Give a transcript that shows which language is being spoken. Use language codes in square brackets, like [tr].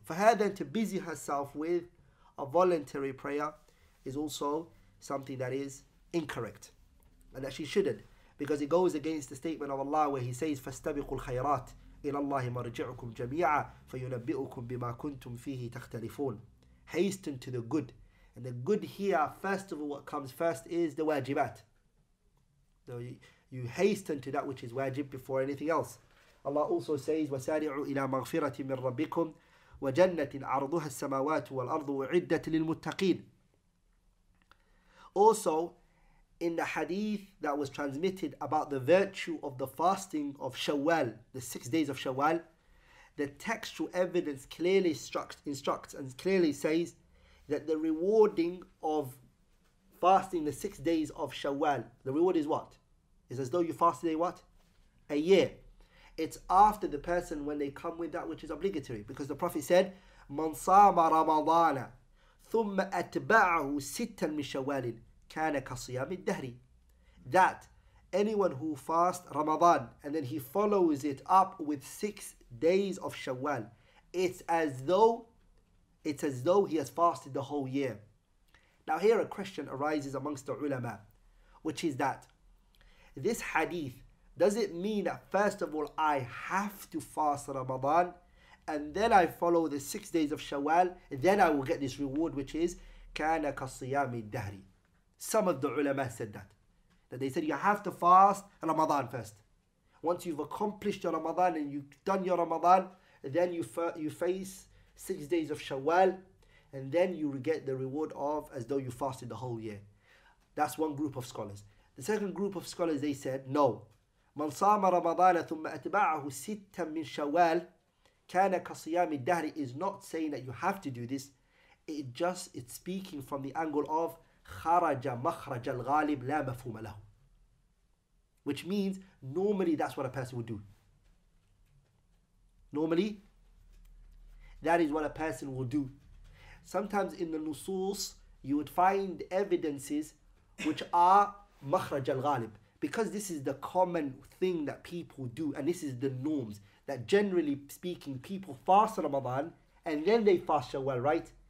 [en] For her then to busy herself with a voluntary prayer is also something that is incorrect, and that she shouldn't, because it goes against the statement of Allah where He says, [ar] فَاسْتَبِقُوا الْخَيْرَاتِ إِلَى اللَّهِ مَرْجِعُكُمْ جَمِيعًا فَيُنَبِّئُكُمْ بِمَا كُنْتُمْ فِيهِ تَخْتَلِفُونَ. [en] Hasten to the good. And the good here, first of all, what comes first is the wajibat. So you hasten to that which is wajib before anything else. Allah also says, [ar] وَسَارِعُوا إِلَى مَغْفِرَةٍ مِّن رَّبِّكُمْ وَجَنَّةٍ عَرْضُهَا السَّمَاوَاتُ وَالْأَرْضُ وَعِدَّةٍ لِّلْمُتَّقِينَ. [en] Also, in the hadith that was transmitted about the virtue of the fasting of Shawwal, the 6 days of Shawwal, the textual evidence clearly instructs and clearly says that the rewarding of fasting the 6 days of Shawwal, the reward is what? It's as though you fasted a what? A year. It's after the person when they come with that which is obligatory. Because the Prophet said, [ar] مَنْ صَامَ رَمَضَانَ ثُمَّ أَتْبَعَهُ سِتًّا مِنْ شَوَالٍ كَانَ كَصِيَامِ الدَّهْرِ. [en] That anyone who fasts Ramadan and then he follows it up with 6 days of Shawwal, it's as though he has fasted the whole year. Now here a question arises amongst the ulama, which is that this hadith, does it mean that first of all I have to fast Ramadan and then I follow the 6 days of Shawwal, then I will get this reward which is [ar] كَانَ كَصِيَامِ الدَّهْرِ. [en] Some of the ulama said that they said you have to fast Ramadan first. Once you've accomplished your Ramadan and you've done your Ramadan, then you face 6 days of Shawwal, and then you get the reward of as though you fasted the whole year. That's one group of scholars. The second group of scholars, they said, no. [ar] مَنْ صَامَ رَمَضَانَ ثُمَّ أَتْبَعَهُ سِتًّا مِنْ شَوَالِ كَانَ كَصِيَامِ الدَّهْرِ [en] is not saying that you have to do this. It's speaking from the angle of [ar] خَرَجَ مَخْرَجَ الْغَالِبِ لَا مَفْهُومَ لَهُ, [en] which means normally that's what a person would do. Normally, that is what a person will do. Sometimes in the nusus, you would find evidences which are [ar] مَخْرَجَ الْغَالِبِ, [en] because this is the common thing that people do, and this is the norms, that generally speaking, people fast Ramadan, and then they fast Shawwal, right?